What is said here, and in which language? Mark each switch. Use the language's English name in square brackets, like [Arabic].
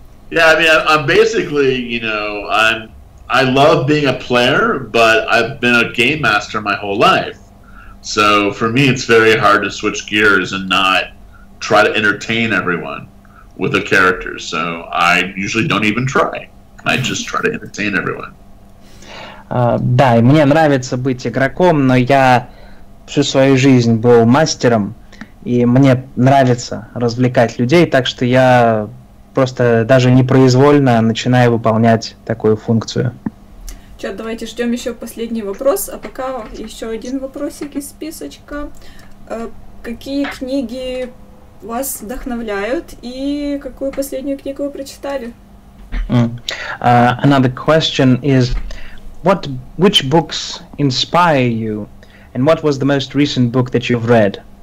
[English] Yeah, I mean, I'm basically, you know, I love being a player, but I've been a game master my whole life. So for me, it's very hard to switch gears and not try to entertain everyone with a character. So I usually don't even try. I just try to entertain everyone. [Russian] Да, и мне нравится быть игроком, но я всю свою жизнь был мастером, и мне нравится развлекать людей, так что я просто даже непроизвольно начинаю выполнять такую функцию. Чат, давайте ждем еще последний вопрос, а пока еще один вопросик из списочка. Какие книги вас вдохновляют и какую последнюю книгу вы прочитали? [English] Another question is, which books inspire you, and what was the most recent book that you've read?